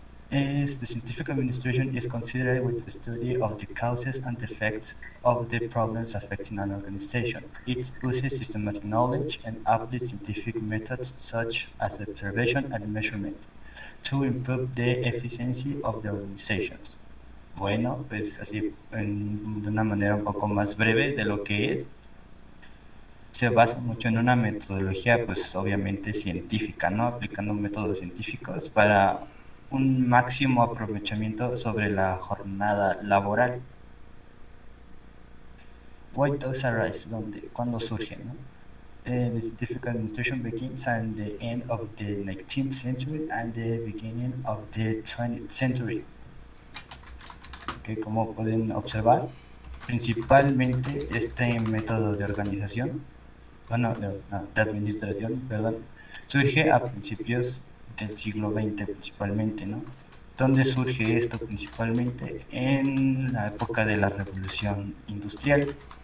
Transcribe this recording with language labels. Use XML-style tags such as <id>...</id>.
<en>Is the scientific administration is considered with the study of the causes and effects of the problems affecting an organization. It uses systematic knowledge and applied scientific methods such as observation and measurement to improve the efficiency of the organizations.</en> <es>Bueno, pues así, de una manera un poco más breve de lo que es. Se basa mucho en una metodología, pues obviamente científica, ¿no? Aplicando métodos científicos para un máximo aprovechamiento sobre la jornada laboral.</es> <en>Why does arise?</en> <es>¿Dónde? ¿Cuándo surge? ¿No?</es> <en>The scientific administration begins at the end of the 19th century and the beginning of the 20th century.</en> <es>Okay, como pueden observar, principalmente este método de organización, bueno, de administración, perdón, surge a principios del siglo XX principalmente, ¿no? ¿Dónde surge esto principalmente? En la época de la revolución industrial.</es>